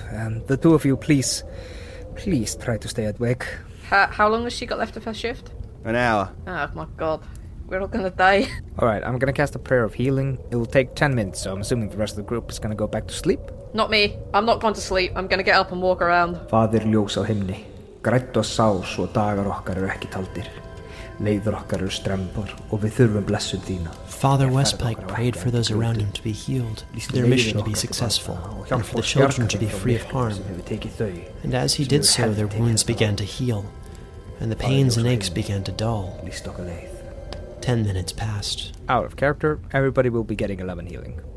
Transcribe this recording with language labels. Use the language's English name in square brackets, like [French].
[English] And the two of you, please try to stay awake. How long has she got left of her shift? An hour. Oh my god, we're all gonna die. Alright, I'm gonna cast a prayer of healing. It will take 10 minutes, so I'm assuming the rest of the group is gonna go back to sleep. Not me, I'm not going to sleep, I'm gonna get up and walk around. [Icelandic] Father ljósa himni, grættu sá svo dagar okkar eru ekki taldir. Leiðir okkar eru strembar og við þurfum blessun þína. [English] Father Westpike prayed for those around him to be healed, for their mission to be successful, and for the children to be free of harm. And as he did so, their wounds began to heal, and the pains and aches began to dull. 10 minutes passed. Out of character, everybody will be getting 11 healing.